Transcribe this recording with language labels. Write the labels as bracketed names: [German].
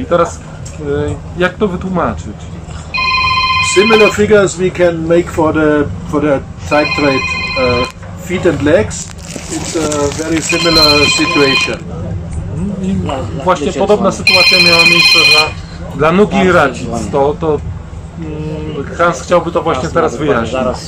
[Polish] I teraz jak to wytłumaczyć? [English] Similar figures we can make for the type trait feet and legs. It's a very similar situation. [Polish] Właśnie podobna sytuacja miała miejsce dla nuki i racic. To Hans chciałby to właśnie teraz wyjaśnić.